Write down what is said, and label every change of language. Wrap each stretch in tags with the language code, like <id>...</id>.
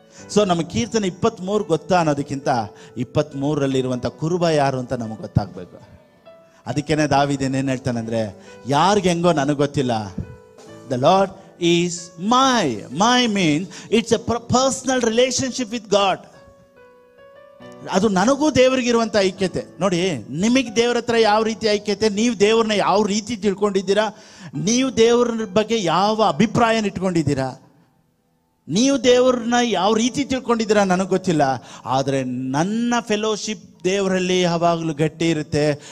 <kn>So ನಮ್ಮ ಕೀರ್ತನೆ 23 ಗೊತ್ತ ಅನ್ನೋದಕ್ಕಿಂತ 23 ಕುರುಬ ಯಾರು ಅಂತ ನಮಗೆ ಗೊತ್ತಾಗಬೇಕು. ಅದಕ್ಕೇನೆ ದಾವಿದ್ ಏನೇನು ಹೇಳ್ತಾನಂದ್ರೆ, ಯಾರಿಗೆ ಹೆಂಗೋ ನನಗೆ ಗೊತ್ತಿಲ್ಲ.</kn> <en>The Lord is my means it's a personal relationship with God.</en> <kn>ಅದು ನನಗು ದೇವರಿಗೆ ಇರುವಂತ ಐಕ್ಯತೆ. ನೋಡಿ, ನಿಮಗೆ ದೇವರತ್ರ ಯಾವ ರೀತಿ ಐಕ್ಯತೆ, ನೀವು ದೇವರನ್ನ ಯಾವ ರೀತಿ ತಿಳ್ಕೊಂಡಿದ್ದೀರಾ, ನೀವು ದೇವರ ಬಗ್ಗೆ ಯಾವ ಅಭಿಪ್ರಾಯನ ಇಟ್ಕೊಂಡಿದ್ದೀರಾ, ನೀವು ದೇವ್ರನ್ನ ಯಾವ ರೀತಿ ತಿಳ್ಕೊಂಡಿದ್ದೀರಾ ನನಗೆ ಗೊತ್ತಿಲ್ಲ, ಆದರೆ ನನ್ನ ಫೆಲೋಶಿಪ್ ದೇವರಲ್ಲಿ ಯಾವಾಗಲೂ ಗಟ್ಟಿ ಇರುತ್ತೆ.</kn>